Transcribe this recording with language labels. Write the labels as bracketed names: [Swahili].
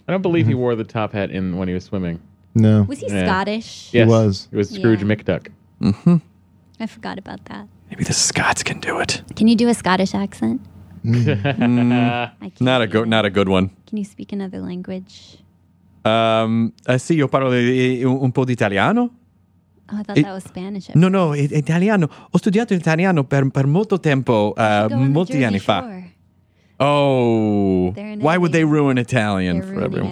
[English] I don't believe he wore the top hat when he was swimming. No. Was he Scottish? Yes, he was. It was Scrooge McDuck. Mm-hmm. I forgot about that. Maybe the Scots can do it. Can you do a Scottish accent? not a good one. Can you speak another language? [Italian] Sì, io parlo un po' di italiano. [English] Oh, I thought that was Spanish. [Italian] No, no, italiano. Ho studiato italiano per molto tempo, molti anni fa. [English] Why would they ruin Italian for everyone?